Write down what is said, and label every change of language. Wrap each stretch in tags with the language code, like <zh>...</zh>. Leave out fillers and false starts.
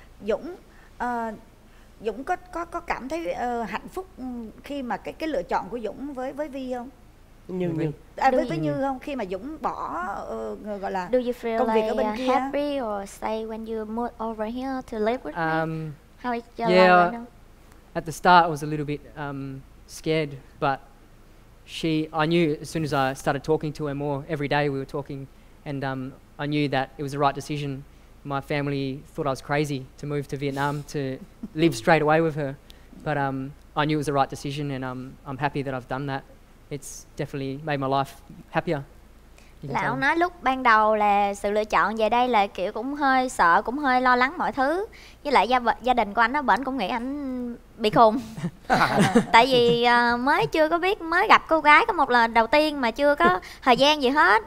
<vi>Dũng Dũng có cảm thấy hạnh phúc khi mà cái lựa chọn của Dũng với Vi không? Như không, khi mà Dũng bỏ gọi là công việc like ở bên kia.</vi> <en>Happy or say when you moved over here to live with me? How is your life? At the start I was a little bit scared, but I knew as soon as I started talking to her more every day, we were talking, and I knew that it was the right decision. My family thought I was crazy to move to Vietnam to live straight away with her, but I knew it was the right decision, and I'm happy that I've done that. It's definitely made my life happier.</en> <vi>Là ông nói lúc ban đầu là sự lựa chọn về đây là kiểu cũng hơi sợ, cũng hơi lo lắng mọi thứ. Với lại gia đình của anh đó, bển cũng nghĩ anh bị khùng. Tại vì mới chưa có biết, mới gặp cô gái có một lần đầu tiên mà chưa có thời gian gì hết.</vi>